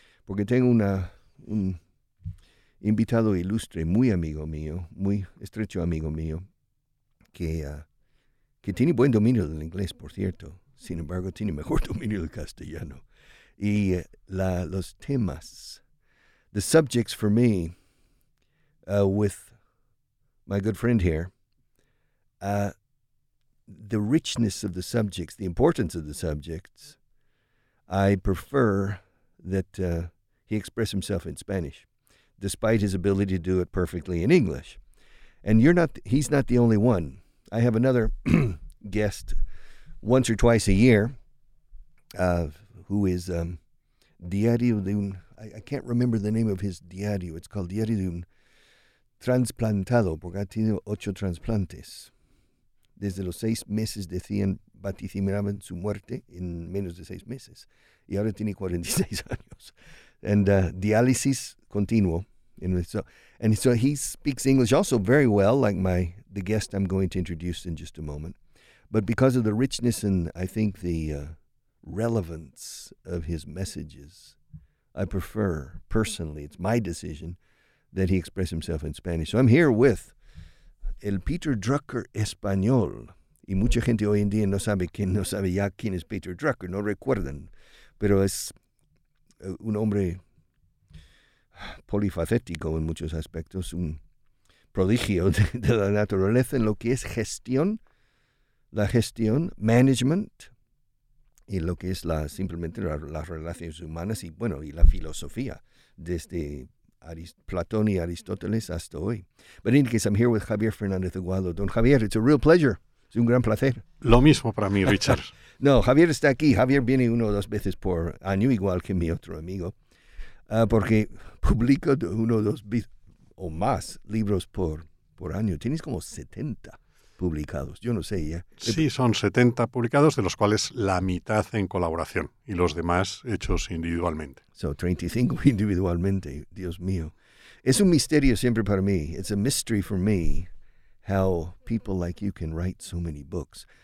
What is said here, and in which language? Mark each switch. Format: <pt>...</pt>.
<es>Porque tengo un invitado ilustre, muy amigo mío, muy estrecho amigo mío, que tiene buen dominio del inglés, por cierto. Sin embargo, tiene mejor dominio del castellano. Y los temas,</es> <en>the subjects for me, with my good friend here, the richness of the subjects, the importance of the subjects, I prefer that he express himself in Spanish, despite his ability to do it perfectly in English. And he's not the only one. I have another guest once or twice a year who is Diario de un... I can't remember the name of his diario. It's called</en> <es>Diario de un Transplantado, porque ha tenido 8 transplantes. Desde los 6 meses decían, vaticinaban su muerte en menos de 6 meses. Y ahora tiene 46 años.</es> <en>And</en> <es>diálisis continuo.</es> <en>And so he speaks English also very well, like the guest I'm going to introduce in just a moment. But because of the richness and, I think, the relevance of his messages, I prefer, personally, it's my decision, that he express himself in Spanish. So I'm here with El Peter Drucker Español.</en> <es>Y mucha gente hoy en día no sabe ya quién es Peter Drucker, no recuerdan. Pero es un hombre polifacético en muchos aspectos, un prodigio de la naturaleza en lo que es gestión, la gestión, management, y lo que es las relaciones humanas y, bueno, y la filosofía, desde Platón y Aristóteles hasta hoy.</es> <en>But in case, I'm here with Javier Fernández Aguado. Don Javier, it's a real pleasure.</en> <es>Es un gran placer. Lo mismo para mí, Richard. No, Javier está aquí. Javier viene 1 o 2 veces por año, igual que mi otro amigo, porque publico 1 o 2 o más libros por año. Tienes como 70 publicados. Yo no sé ya. Sí, son 70 publicados, de los cuales la mitad en colaboración y los demás hechos individualmente. So, 35 individualmente. Dios mío. Es un misterio siempre para mí.</es> <en>It's a mystery for me how people like you can write so many books.</en>